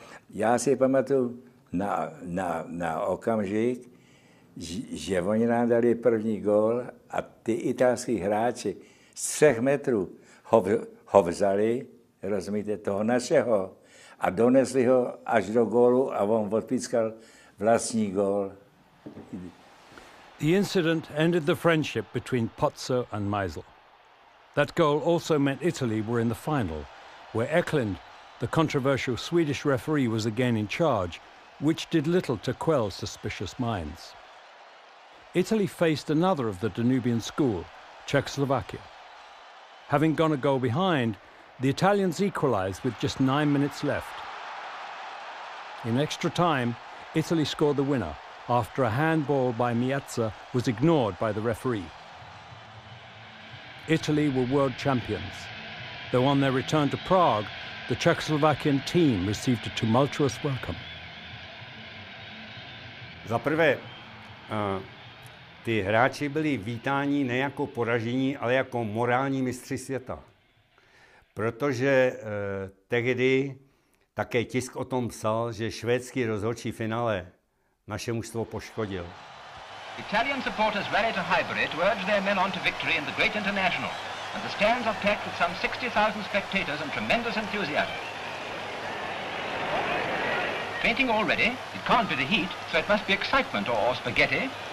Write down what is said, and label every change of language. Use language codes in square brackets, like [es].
[cs] Já si pamatuju na okamžik, že oni nám dali první gól a ty italský hráči z 3 metrů ho vzali, rozumíte, toho našeho, a donesli ho až do gólu a on odpískal vlastní gól. [en] The incident ended the friendship between Pozzo and Meisel. That goal also meant Italy were in the final, where Eklund, the controversial Swedish referee, was again in charge, which did little to quell suspicious minds. Italy faced another of the Danubian school, Czechoslovakia. Having gone a goal behind, the Italians equalized with just 9 minutes left. In extra time, Italy scored the winner after a handball by Miazza was ignored by the referee. Italy were world champions, though on their return to Prague, the Czechoslovakian team received a tumultuous welcome. [cs] Za prvé, ty hráči byli vítáni ne jako poražení, ale jako morální mistři světa. Protože tehdy také tisk o tom psal, že švédský rozhodčí finále naše mužstvo poškodil. [en] Italian supporters rally to Highbury to urge their men on to victory in the great international. And the stands are packed with some 60,000 spectators and tremendous enthusiasm. Fainting already, it can't be the heat, so it must be excitement or spaghetti.